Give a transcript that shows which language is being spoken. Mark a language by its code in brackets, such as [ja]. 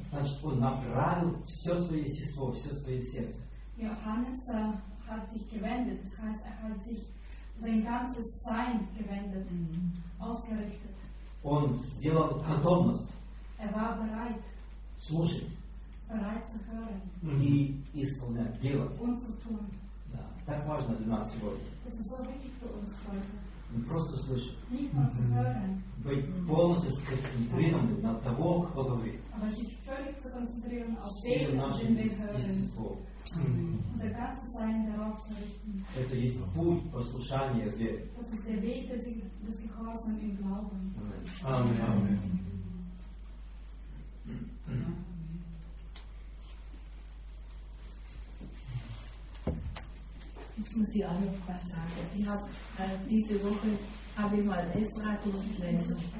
[ru] Значит, он направил все свое естество, все свое сердце. [de] Johannes hat sich gewendet. Das heißt, er hat sich sein ganzes Sein gewendet, ausgerichtet. Und [ru] сделал готовность. [de] Er war bereit. [ru] Слушай. [de] Bereit zu hören. [ru] И исполнять дело. [de] Und zu tun. [ru] Да, так важно для нас сегодня. [de] Das ist so wichtig für uns heute. [ru] Не просто слышать. [de] Nicht nur zu hören. [ru] Быть полностью сконцентрированным на того, кто говорит. [de] Aber sich völlig zu konzentrieren auf den, den wir hören. Unser ganzes Sein darauf zu richten. [ru] Это есть путь послушания веры. [de] Das ist der Weg des Gehorsams im Glauben. Amen. Amen. Jetzt muss ich auch noch was sagen. Ich habe diese Woche habe ich mal Esra durchgelesen.